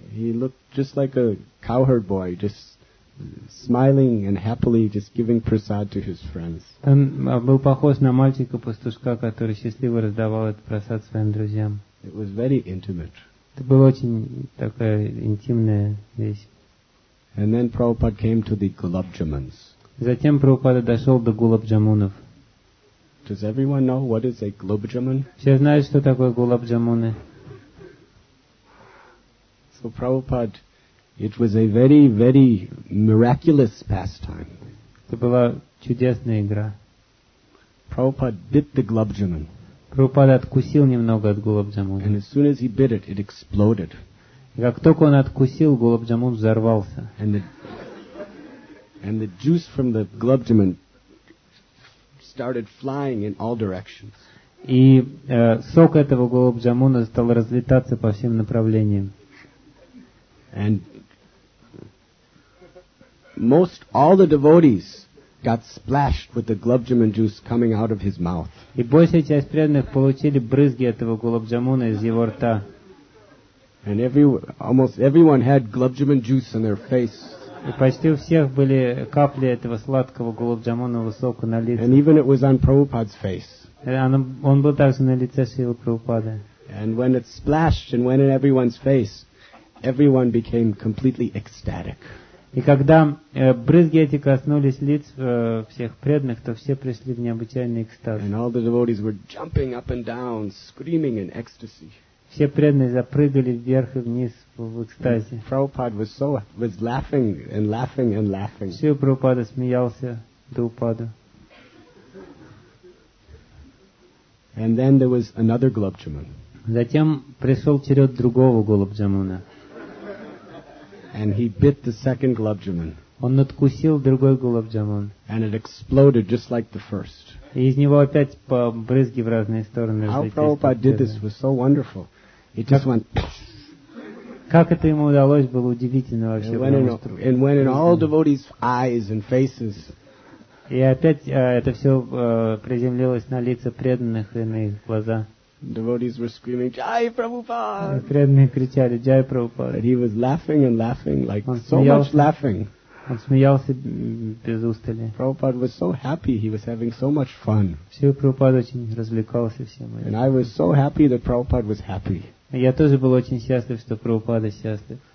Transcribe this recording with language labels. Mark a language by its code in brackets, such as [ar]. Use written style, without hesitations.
[en] He looked just like a cowherd boy, just smiling and happily just giving prasad to his friends. [ru] Он был похож на мальчика-пастушка, который счастливо раздавал этот прасад своим друзьям. [en] It was very intimate. [ru] Это была очень такая интимная вещь. [en] And then Prabhupada came to the gulab jamuns. [ru] Затем Прабхупада дошел до гулаб джамунов. [en] Does everyone know what is a gulab jamun? [ru] Все знают, что такое гулаб джамуны. [en] So Prabhupada, it was a very, very miraculous pastime. [ru] Это была чудесная игра. [en] Prabhupada bit the gulab jamun. [ru] Прабхупада откусил немного от гулаб джамуна. [en] And as soon as he bit it, it exploded. [ru] И как только он откусил, гулаб джамун взорвался. [en] And the juice from the gulab jamun started flying in all directions. [ru] И сок этого гулаб джамуна стал разлетаться по всем направлениям. [en] And most all the devotees got splashed with the gulab jamun juice coming out of his mouth. [ru] И большая часть преданных получили брызги этого гулаб джамуна из его рта. [en] And almost everyone had gulab jamun juice on their face. [ru] И почти у всех были капли этого сладкого гулаб джамунового сока на лице. [en] And even it was on Prabhupada's face. [ru] Он был также на лице Шрилы Прабхупады. [en] And when it splashed and went in everyone's face, everyone became completely ecstatic. [ru] И когда брызги эти коснулись лиц всех преданных, то все пришли в необычайный экстаз. [en] And all the devotees were jumping up and down, screaming in ecstasy. [ru] Все преданные запрыгали вверх и вниз в экстазе. [en] And Prabhupada was laughing and laughing and laughing. [ru] Шрила Прабхупада смеялся до упаду. [en] And then there was another gulab jamun. [ru] Затем пришел черед другого гулаб джамуна. [en] And he bit the second gulab jamun. [ru] Он надкусил другой гулаб джамун. [en] And it exploded just like the first. [ru] И из него опять по брызги в разные стороны. [en] How Prabhupada did this was so wonderful. It just went. [ru] Как это ему удалось, было удивительно вообще. [en] And went in all devotees' eyes and faces. [ru] И опять это все приземлилось на лица преданных и на их глаза. [en] Devotees were screaming, Jai Prabhupada! [ru] Преданные кричали, Jai Prabhupada! [en] And he was laughing and laughing, like so much laughing. [ru] Он смеялся без устали. [en] Prabhupada was so happy, he was having so much fun. [ru] Шрила Прабхупада очень развлекался всем. [en] And I was so happy that Prabhupada was happy. [ru] Я тоже был очень счастлив, что Прабхупада счастлив.